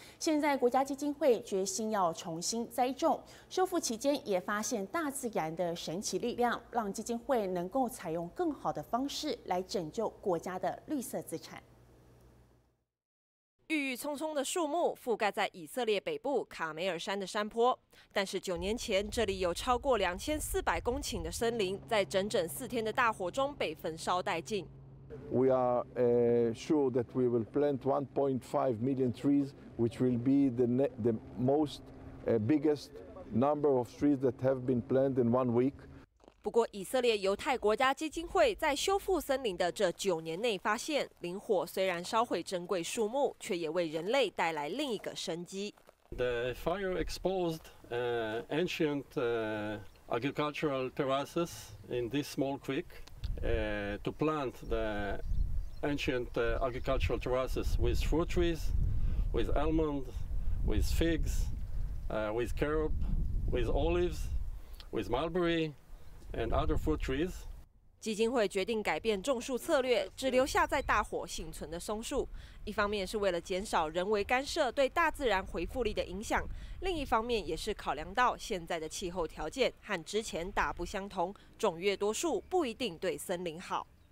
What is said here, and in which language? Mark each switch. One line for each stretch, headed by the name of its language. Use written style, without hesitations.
Chinese: 现在国家基金会决心要重新栽种，修复期间也发现大自然的神奇力量，让基金会能够采用更好的方式来拯救国家的绿色资产。郁郁葱葱的树木覆盖在以色列北部卡梅尔山的山坡，但是9年前，这里有超过2400公顷的森林，在整整4天的大火中被焚烧殆尽。
English: We are sure that we will plant 1.5 million trees, which will be the biggest number of trees that have been planted in 1 week.
Chinese: 不过，以色列犹太国家基金会在修复森林的这9年内发现，林火虽然烧毁珍贵树木，却也为人类带来另一个生机。
English: The fire exposed ancient agricultural terraces in this small creek to plant the ancient agricultural terraces with fruit trees, with almonds, with figs, with carob, with olives, with mulberry. And other fruit trees.
Chinese: 基金会决定改变种树策略，只留下在大火幸存的松树。一方面是为了减少人为干涉对大自然回复力的影响，另一方面也是考量到现在的气候条件和之前大不相同，种越多树不一定对森林好。